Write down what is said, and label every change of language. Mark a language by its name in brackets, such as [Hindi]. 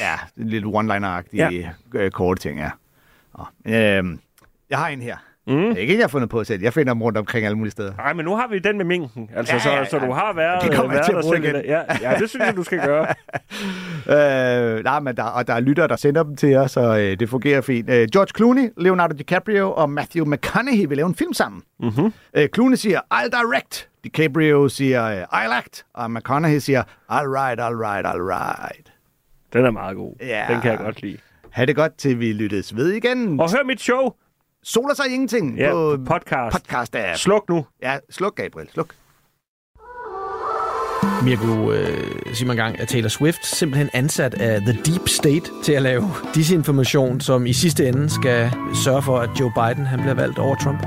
[Danish] Ja, det er lidt one-liner-agtige, ja. Korte ting, ja. Jeg har en her. Mm. Det er ikke en, jeg har fundet på selv. Jeg finder dem rundt omkring alle mulige steder. Nej, men nu har vi den med minken. Altså, så du har været... Det kommer jeg til at bruge igen. Ja, det synes jeg, du skal gøre. Der er lyttere, der sender dem til jer, så det fungerer fint. George Clooney, Leonardo DiCaprio og Matthew McConaughey vil lave en film sammen. Mm-hmm. Clooney siger, [English] I'll direct. [Danish] DiCaprio siger, [English] I'll act. [Danish] Og McConaughey siger, [English] all right. [Danish] Den er meget god. Ja. Den kan jeg godt lide. Ha' det godt, til vi lyttes ved igen. Og hør mit show. Soler sig ingenting, ja, på podcast app. Sluk nu. Ja, sluk, Gabriel. Sluk. Mirko, sig mig en gang, at Taylor Swift simpelthen ansat af The Deep State til at lave disinformation, som i sidste ende skal sørge for, at Joe Biden han bliver valgt over Trump.